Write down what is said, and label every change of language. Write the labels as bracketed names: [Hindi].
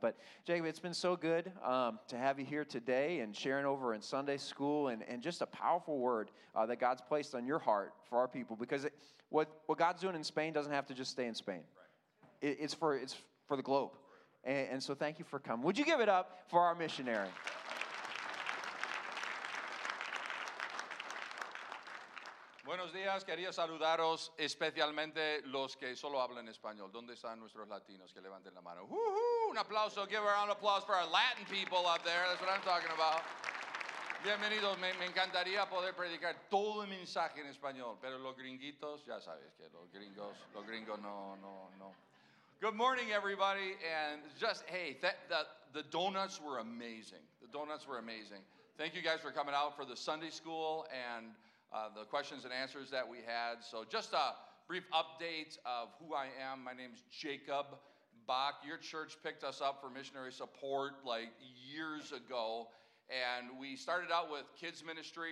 [English] But, Jacob, it's been so good to have you here today and sharing over in Sunday school and just a powerful word that God's placed on your heart for our people. Because what God's doing in Spain doesn't have to just stay in Spain. It's for the globe. And so thank you for coming. Would you give it up for our missionary? [Spanish] Buenos días, quería saludaros especialmente los que solo hablan español. ¿Dónde están nuestros latinos? Que levanten la mano. ¡Woohoo! Un aplauso, [English] give a round of applause for our Latin people up there. That's what I'm talking about. [Spanish] Bienvenidos, me encantaría poder predicar todo el mensaje en español, pero los gringuitos, ya sabes que los gringos no. [English] Good morning, everybody, and just, hey, the donuts were amazing. The donuts were amazing. Thank you guys for coming out for the Sunday school and the questions and answers that we had. So just a brief update of who I am. My name's Jacob Bach. Your church picked us up for missionary support like years ago, and we started out with kids ministry.